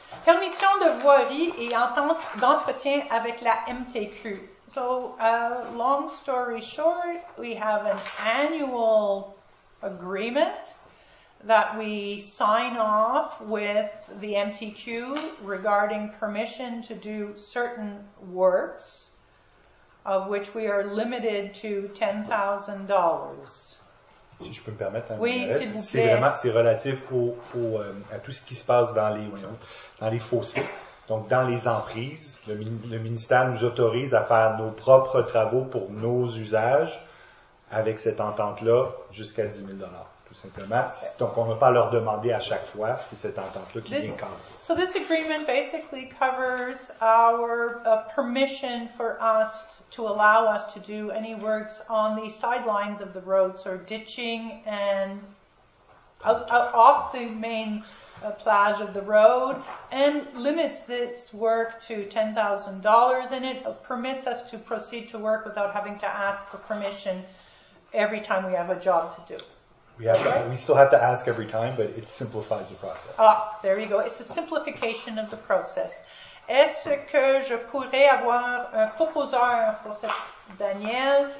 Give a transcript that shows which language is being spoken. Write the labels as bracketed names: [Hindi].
[French] Permission de voirie et entente d'entretien avec la MTQ. [English] So, long story short, we have an annual agreement that we sign off with the MTQ regarding permission to do certain works, of which we are limited to $10,000. [French] Si je peux me permettre, oui, c'est relatif à tout ce qui se passe dans les fossés, donc dans les emprises. Le ministère nous autorise à faire nos propres travaux pour nos usages avec cette entente-là jusqu'à 10 000 $ tout simplement. Donc, on ne va pas leur demander à chaque fois, c'est cette entente-là qui vient cadrer. [English] So this agreement basically covers our permission for us to allow us to do any works on the sidelines of the roads, so or ditching and off the main plage of the road, and limits this work to $10,000, and it permits us to proceed to work without having to ask for permission every time we have a job to do. We still have to ask every time, but it simplifies the process. Ah, there you go. It's a simplification of the process. [French] Est-ce que je pourrais avoir un proposeur pour cette Danielle?